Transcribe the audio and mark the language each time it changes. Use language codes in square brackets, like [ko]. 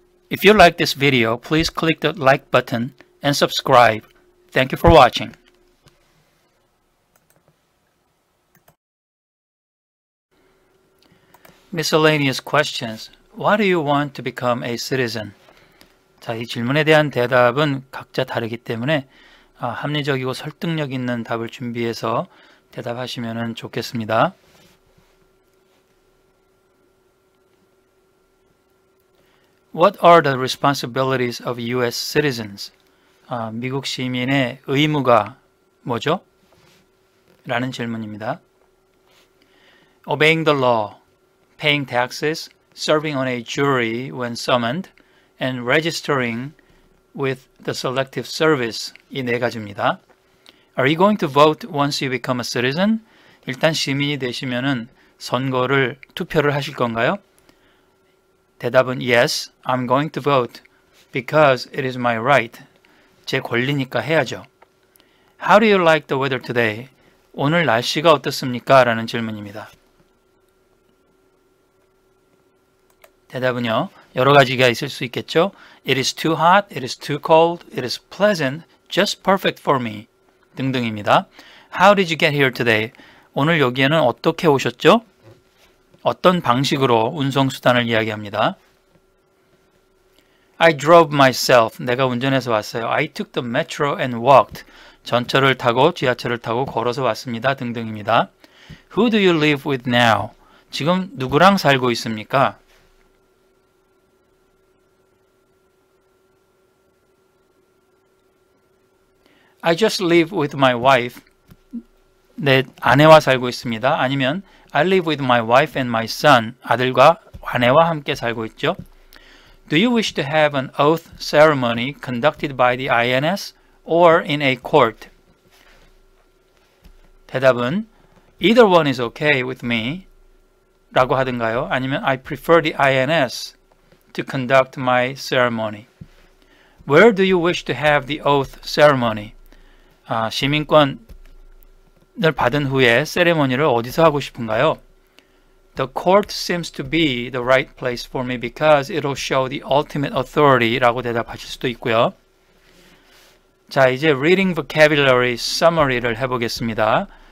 [en] If you like this video, please click the like button and subscribe. Thank you for watching. Miscellaneous questions. Why do you want to become a citizen? [ko] 자, 이 질문에 대한 대답은 각자 다르기 때문에 합리적이고 설득력 있는 답을 준비해서 대답하시면 좋겠습니다. [en] What are the responsibilities of U.S. citizens? [ko] 미국 시민의 의무가 뭐죠? 라는 질문입니다. [en] Obeying the law. Paying taxes, serving on a jury when summoned, and registering with the Selective Service. [ko] 이 네 가지입니다. [en] Are you going to vote once you become a citizen? [ko] 일단 시민이 되시면은 선거를 투표를 하실 건가요? 대답은 [en] yes, I'm going to vote because it is my right. [ko] 제 권리니까 해야죠. [en] How do you like the weather today? [ko] 오늘 날씨가 어떻습니까? 라는 질문입니다. 대답은요, 여러 가지가 있을 수 있겠죠. [en] It is too hot, it is too cold, it is pleasant, just perfect for me, [ko] 등등입니다. [en] How did you get here today? [ko] 오늘 여기에는 어떻게 오셨죠? 어떤 방식으로 운송수단을 이야기합니다. [en] I drove myself, [ko] 내가 운전해서 왔어요. [en] I took the metro and walked, [ko] 전철을 타고 지하철을 타고 걸어서 왔습니다, 등등입니다. [en] Who do you live with now? [ko] 지금 누구랑 살고 있습니까? [en] I just live with my wife. [ko] 내 아내와 살고 있습니다. 아니면 [en] I live with my wife and my son. [ko] 아들과 아내와 함께 살고 있죠. [en] Do you wish to have an oath ceremony conducted by the INS or in a court? [ko] 대답은 [en] Either one is okay with me. [ko] 라고 하든가요? 아니면 [en] I prefer the INS to conduct my ceremony. Where do you wish to have the oath ceremony? [ko] 아, 시민권을 받은 후에 세레모니를 어디서 하고 싶은가요? [en] The court seems to be the right place for me because it'll show the ultimate authority [ko] 라고 대답하실 수도 있고요. 자, 이제 [en] reading vocabulary summary [ko] 를 해보겠습니다.